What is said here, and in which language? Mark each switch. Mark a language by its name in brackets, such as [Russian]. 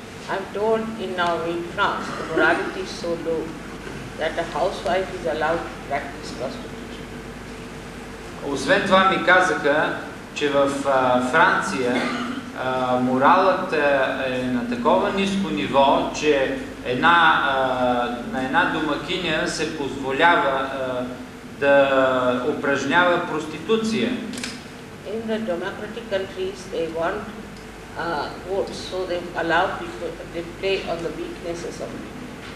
[English] I'm told in Norway, France, the morality is so low that a housewife is allowed to practice prostitution. [Bulgarian] Освен това ми казаха, че в Франция моралът е на такова ниско ниво, че на една домакиня се позволява да упражнява проституция. [English] In the democratic countries they want votes, so they allow people to play on the weaknesses of people.